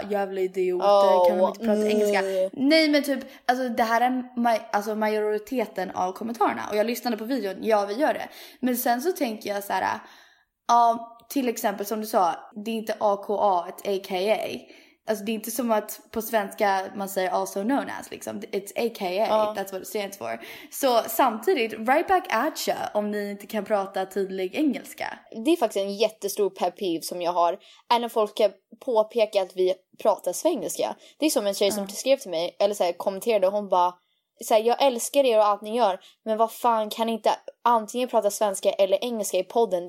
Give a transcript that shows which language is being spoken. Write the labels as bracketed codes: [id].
[sv] Jävla idioter, kan de inte prata engelska? Nej, men typ, alltså det här är majoriteten av kommentarerna. Och jag lyssnade på videon, ja vi gör det. Men sen så tänker jag så här, till exempel som du sa, det är inte AKA, ett AKA. Alltså det är inte som att på svenska man säger [en] also known as, [sv] liksom. [en] It's AKA, that's what it stands for. [sv] Så samtidigt, [en] right back at you [sv] om ni inte kan prata tydlig engelska. Det är faktiskt en jättestor [en] pet peeve [sv] som jag har. Är när folk kan påpeka att vi pratar svengelska. Det är som en tjej som skrev till mig, eller så här, kommenterade, och hon bara... Så här, jag älskar er och allt ni gör, men vad fan, kan inte antingen prata svenska eller engelska i podden?